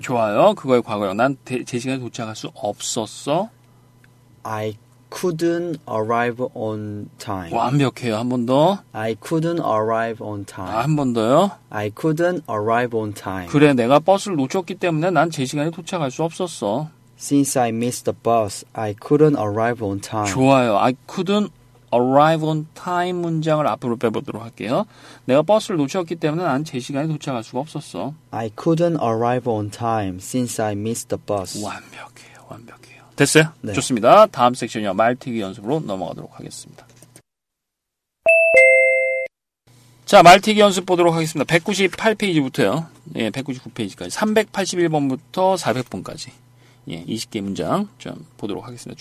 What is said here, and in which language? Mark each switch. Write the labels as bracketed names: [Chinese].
[Korean] 좋아요. 그거의 과거형. 난 제 시간에 도착할 수 없었어. [English] I couldn't arrive on time. [Korean] 완벽해요. 한 번 더. [English] I couldn't arrive on time. [Korean] 아, 한 번 더요. [English] I couldn't arrive on time. [Korean] 그래, 내가 버스를 놓쳤기 때문에 난 제 시간에 도착할 수 없었어. [English] Since I missed the bus, I couldn't arrive on time. [Korean] 좋아요. [English] I couldn't arrive on time [Korean] 문장을 앞으로 빼보도록 할게요. 내가 버스를 놓쳤기 때문에 난 제 시간에 도착할 수가 없었어. [English] I couldn't arrive on time since I missed the bus. [Korean] 완벽해요. 완벽해요. 됐어요? 네. 좋습니다. 다음 섹션이요. 말티기 연습으로 넘어가도록 하겠습니다. 자, 말티기 연습 보도록 하겠습니다. 198페이지부터요. 예, 199페이지까지. 381번부터 400번까지. 예, 20개 문장 좀 보도록 하겠습니다.